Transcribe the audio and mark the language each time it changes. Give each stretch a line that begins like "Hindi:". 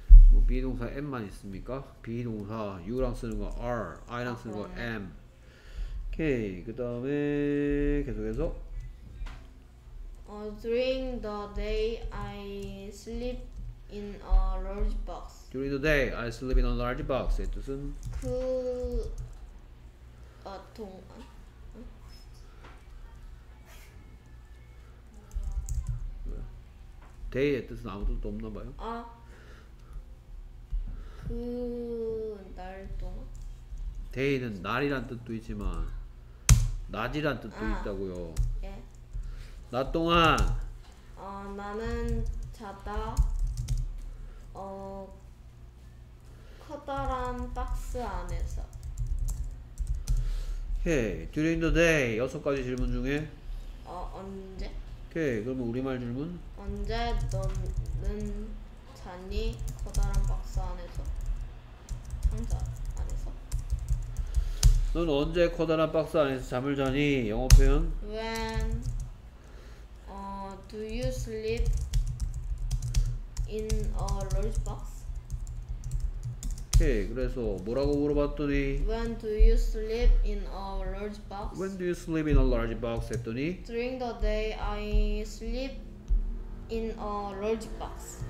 Korean: 뭐 비동사 am만 있습니까? 비동사 you랑 쓰는 거 are, I랑 쓰는 거 am. 오케이 그 다음에 계속해서.
English: During the day, I sleep in a large box. During the day, I sleep in a large box.
Korean: 이 뜻은? 그... 동안? 응? day의 뜻은 아무 뜻도 없나 봐요? 아 그... 날 동안? day는 날이란 뜻도 있지만 낮이란 뜻도 있다고요 예 낮 동안 나는 자다 커다란 박스 안에서 오케이
English: during the day
Korean: 여섯 가지 질문 중에 언제? 오케이 그러면 우리말 질문 언제 너는 자니 커다란 박스 안에서 상자 안에서 넌 언제 커다란 박스 안에서 잠을 자니 영어 표현
English: when do you sleep in a large box?
Korean: 오케이 그래서 뭐라고 물어봤더니
English: When do you sleep in a large box? When do you sleep in a large box?
Korean: 했더니
English: During the day I sleep in a large box.